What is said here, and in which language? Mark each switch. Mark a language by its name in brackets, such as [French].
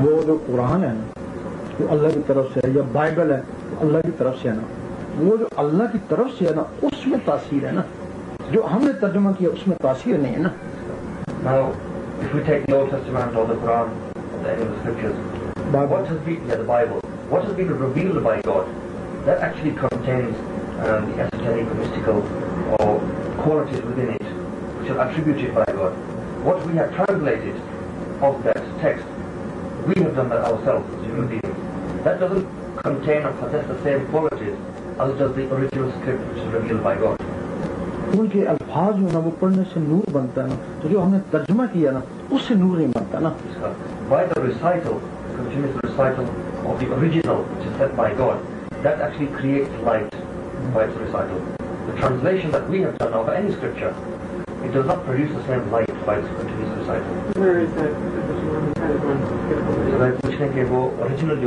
[Urdu] وہ جو قرآن ہے نا، وہ اللہ کی طرف سے ہے، یا بائبل ہے اللہ کی طرف سے ہے نا، وہ جو اللہ کی طرف سے ہے نا، اس میں تاثیر ہے نا، جو ہم نے ترجمہ کیا اس میں تاثیر نہیں ہے نا. [English] If we take the Old Testament or the Quran or any of the scriptures, Bible. What has been, yeah, the Bible, what has been revealed by God, that actually contains the esoteric, mystical or qualities within it which are attributed by God. What we have translated of that text, we have done that ourselves as human beings. That doesn't contain or possess the same qualities as does the original script which is revealed by God. [Urdu] ان کے الفاظ جو ہے نا، وہ پڑھنے سے نور بنتا ہے نا، تو جو ہم نے ترجمہ کیا نا، اس سے نور نہیں بنتا نا. [English] By the recital, continuous recital of the original which is said by God, that actually creates light by its recital. The translation that we have done of any scripture, it does not produce the same light by its continuous recital. Where is that? Where is that? Where is that? Where is that? Where is that?